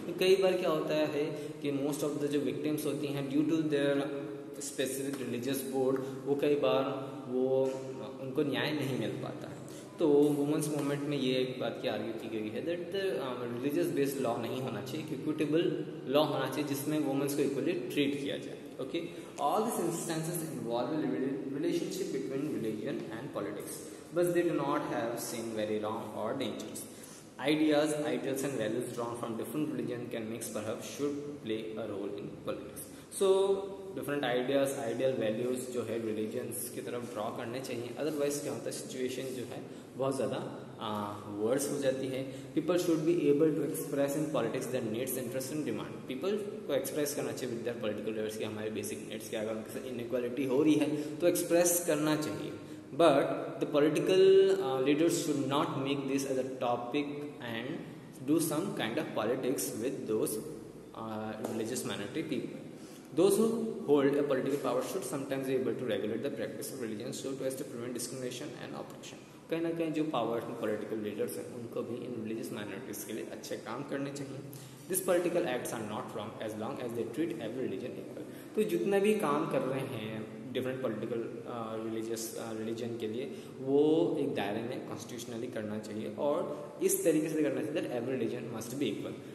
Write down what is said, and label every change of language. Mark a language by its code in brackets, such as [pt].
[hi] कई बार क्या होता है कि मोस्ट ऑफ द जो विक्टिम्स होती हैं due to their specific religious board वो कई बार वो उनको न्याय नहीं मिल पाता है. तो वुमेंस मूवमेंट में ये एक बात की आर्ग्यू की गई है [en] that religious based law [hi] नहीं होना चाहिए, एक इक्विटेबल लॉ होना चाहिए जिसमें वुमेंस को इक्वली ट्रीट किया जाए. [en] Okay, all this instances involve relationship between religion and politics. But they do not have seen very wrong or dangerous. Ideas, ideals and values drawn from different religion can mix perhaps should play a role in politics. So different ideas, ideal values [hi] जो है religions की तरफ draw करने चाहिए. Otherwise क्या होता है, situation जो है बहुत ज़्यादा worse हो जाती है. [en] People should be able to express in politics their needs, interests and demand. [hi] People को express करना चाहिए with their political values की हमारे basic needs की, अगर उनके साथ inequality हो रही है तो express करना चाहिए. [en] But the political leaders should not make this as a topic and do some kind of politics with those religious minority people. Those who hold a political power should sometimes be able to regulate the practice of religion so as to prevent discrimination and oppression. [hi] कहीं ना कहीं जो power political leaders हैं उनको भी इन religious minorities के लिए अच्छे काम करने चाहिए. [en] This political acts are not wrong as long as they treat every religion equal. [hi] तो जितना भी काम कर रहे हैं डिफरेंट पॉलिटिकल रिलीजियस रिलीजन के लिए वो एक दायरे में कॉन्स्टिट्यूशनली करना चाहिए और इस तरीके से करना चाहिए [en] That every religion must be equal.